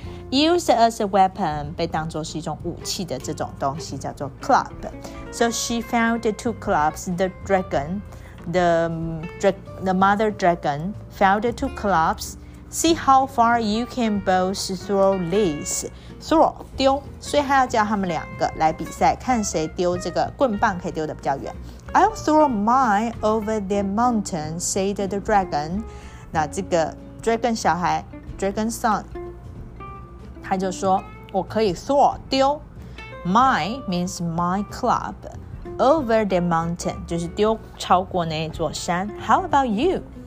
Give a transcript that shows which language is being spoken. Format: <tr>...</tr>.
<en>Used as a weapon,</en> <zh>被当作是一种武器的这种东西叫做 club.</zh> <en>So she found two clubs, the dragon, the mother dragon found two clubs. See how far you can both throw these.</en> <zh>Throw, 丢，所以她要叫他们两个来比赛，看谁丢这个棍棒可以丢得比较远。 I'll throw mine over the mountain, said the dragon. 那这个 dragon 小孩</zh> <en>dragon son,</en> <zh>他就说我可以 throw 丢</zh> <en>my means my club over the mountain</en> <zh>就是丢超过那座山</zh> <en>how about you</en>